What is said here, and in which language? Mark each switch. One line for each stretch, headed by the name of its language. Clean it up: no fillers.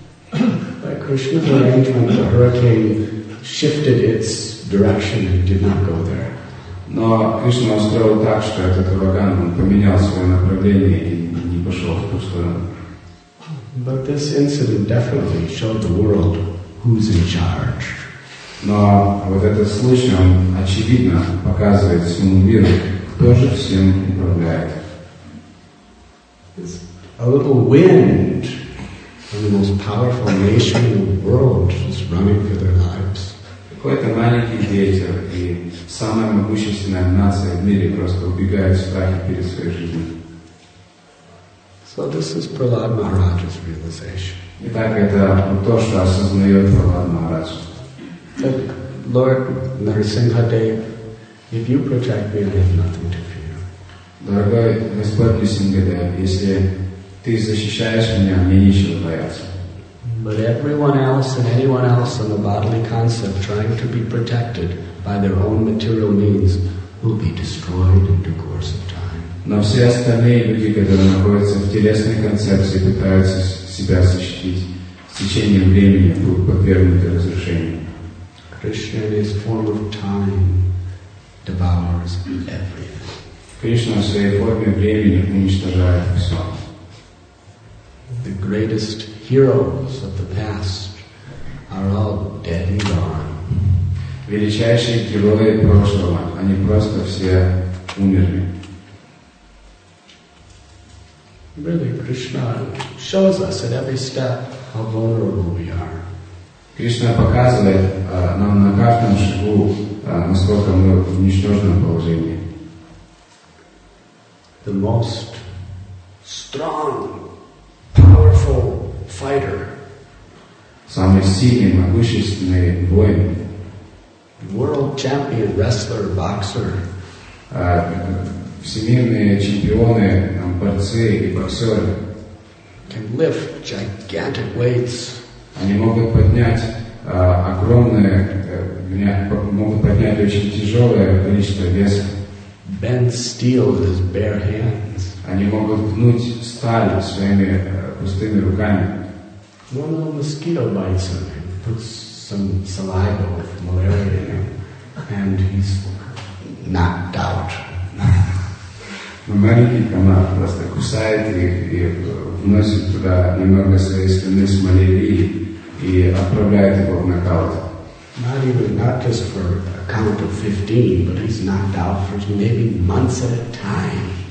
English: By Krishna's arrangement, the hurricane shifted its direction and did not go there.
Russian: Но Кришна устроил так, что этот ураган, он поменял свое направление и не пошел в ту сторону.
English: But this incident definitely showed the world who's in charge.
Russian: Но вот этот случай, он очевидно показывает всему миру, кто же всем управляет.
English: It's a little wind from the most powerful nation in the world is running for their lives.
Russian: Какой-то маленький ветер, и самая могущественная нация в мире просто убегает в страхе перед своей жизнью.
English: So this is Prahlad Maharaj's realization.
Russian: Итак, это то, что осознает Прахлад Махарадж.
English: That Lord Narasimhadev, if you protect me, I have nothing to fear.
Russian: Дорогой Господь Нарасимхадев, если ты защищаешь меня, мне нечего бояться.
English: But everyone else and anyone else on the bodily concept trying to be protected by their own material means will be destroyed in due course of time.
Russian: Но все остальные люди, которые находятся в телесной концепции, пытаются себя защитить, с течением времени будут подвергнуты разрушению.
English: Krishna in his form of time devours everything.
Russian: Кришна в своей форме времени уничтожает все.
English: The greatest heroes of the past are all dead and gone.
Russian: Величайшие герои прошлого, они просто все умерли.
English: Really, Krishna shows us at every step how vulnerable we are.
Russian: Кришна показывает нам на каждом шагу, насколько мы в ничтожном положении.
English: The most strong, powerful fighter.
Russian: Самый сильный, могущественный воин.
English: World champion wrestler, boxer.
Russian: Всемирные чемпионы, борцы и боксеры.
English: Can lift gigantic weights.
Russian: Они могут поднять огромное, могут поднять очень тяжелое количество веса.
English: Bend steel with his bare hands.
Russian: Они могут гнуть сталь своими пустыми руками.
English: One little mosquito bites him, puts some saliva with malaria in him, and he's knocked out.
Russian: Маленький комар просто кусает их и вносит туда немного своей страны с малярией и отправляет его в нокаут.
English: Not even, not just for a count of 15, but he's knocked out for maybe months at a time.